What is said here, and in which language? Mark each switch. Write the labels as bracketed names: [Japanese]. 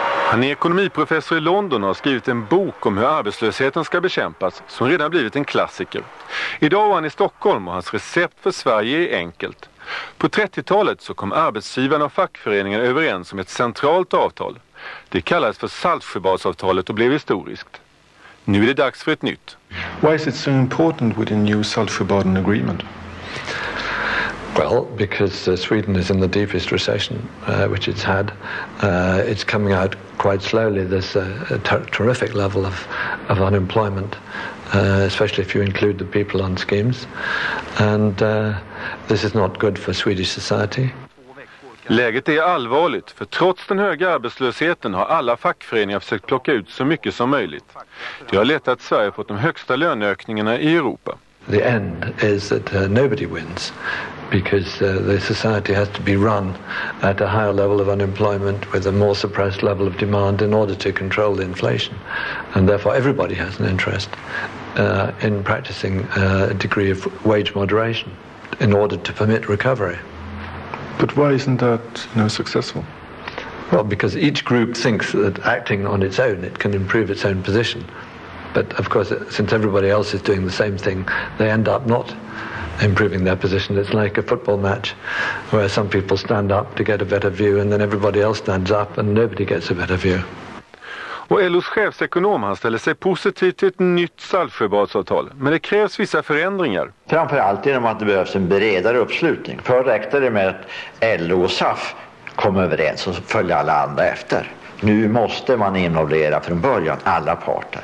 [Swedish] Han är ekonomiprofessor i London och har skrivit en bok om hur arbetslösheten ska bekämpas, som redan blivit en klassiker. Idag är han i Stockholm, och hans recept för Sverige är enkelt. På 30-talet så kom arbetsgivarna och fackföreningarna överens om ett centralt avtal. Det kallades för Saltsjöbadsavtalet och blev historiskt. Nu är det dags för ett nytt. [English] Why is it so important with a new Saltsjöbaden agreement? Well, because Sweden is in the deepest recession which it's had. It's coming out quite slowly. There's a terrific level of unemployment, especially if you include the people on schemes. And this is not good for Swedish society. [Swedish] Läget är allvarligt, för trots den höga arbetslösheten har alla fackföreningar försökt plocka ut så mycket som möjligt. Det har lett att Sverige fått de högsta löneökningarna i Europa. [English] The end is that nobody wins, because the society has to be run at a higher level of unemployment with a more suppressed level of demand in order to control the inflation, and therefore everybody has an interest in practicing a degree of wage moderation in order to permit recovery. But why isn't that successful? Well, because each group thinks that acting on its own, it can improve its own position. But of course, since everybody else is doing the same thing, they end up not improving their position. It's like a football match where some people stand up to get a better view, and then everybody else stands up and nobody gets a better view. [Swedish] Och LOs chefsekonom, han ställer sig positivt till ett nytt Saltsjöbadsavtal. Men det krävs vissa förändringar. Framförallt genom att det behövs en bredare uppslutning. Förr räckte det med att LO och SAF kom överens och följde alla andra efter. Nu måste man involvera från början alla parter.